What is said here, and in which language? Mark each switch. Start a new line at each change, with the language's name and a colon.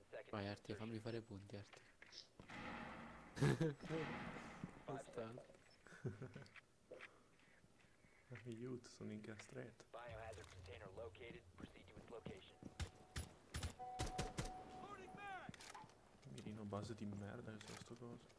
Italian: Vai Arti, fammi fare punti Arti. Aiuto, sono in gas thread.
English: Biohazard container located, proceed with location.
Italian: Mirino base di merda che sono sto coso.